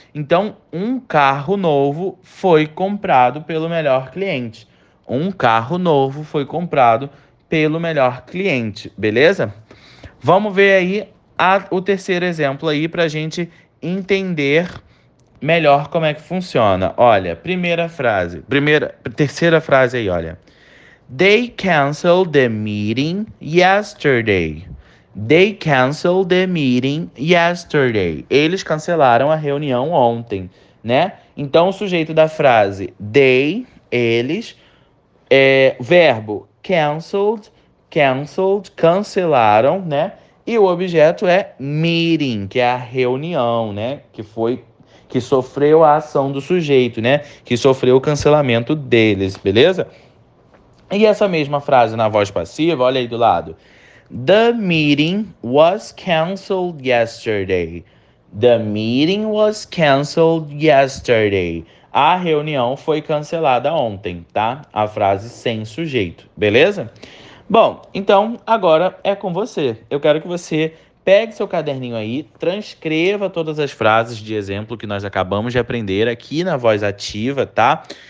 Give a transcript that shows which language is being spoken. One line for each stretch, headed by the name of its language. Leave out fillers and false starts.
Portuguese: Então, um carro novo foi comprado pelo melhor cliente. Um carro novo foi comprado pelo melhor cliente, beleza? Vamos ver aí o terceiro exemplo aí para a gente entender melhor como é que funciona. Olha, primeira frase. Terceira frase aí, olha.
English: They canceled the meeting yesterday. They canceled the meeting yesterday.
Portuguese: Eles cancelaram a reunião ontem, né? Então, o sujeito da frase they, eles, é verbo canceled, canceled, cancelaram, né? E o objeto é meeting, que é a reunião, né? Que sofreu a ação do sujeito, né? Que sofreu o cancelamento deles, beleza? E essa mesma frase na voz passiva, olha aí do lado.
English: The meeting was canceled yesterday. The meeting was canceled yesterday.
Portuguese: A reunião foi cancelada ontem, tá? A frase sem sujeito, beleza? Bom, então agora é com você. Eu quero que você pegue seu caderninho aí, transcreva todas as frases de exemplo que nós acabamos de aprender aqui na voz ativa, tá?